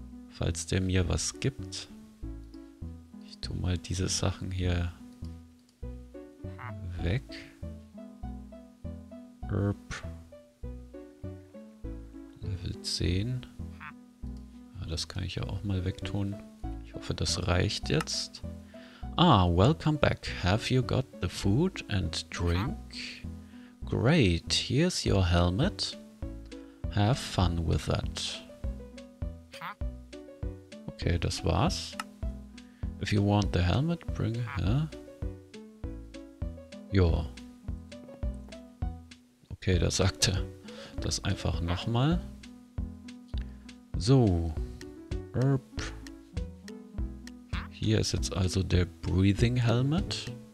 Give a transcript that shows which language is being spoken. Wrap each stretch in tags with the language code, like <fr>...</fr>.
<de>Falls der mir was gibt. Ich tue mal diese Sachen hier weg. Erp. Level 10. Ja, das kann ich ja auch mal wegtun. Ich hoffe, das reicht jetzt.</de> <en>Ah, welcome back. Have you got the food and drink? Great. Here's your helmet. Have fun with that.</en> <de>Okay, das war's.</de> <en>If you want the helmet, bring it. Huh?</en> <de>Ja. Okay, da sagt er das einfach nochmal. So. Erp. Hier ist jetzt also der Breathing Helmet.</de>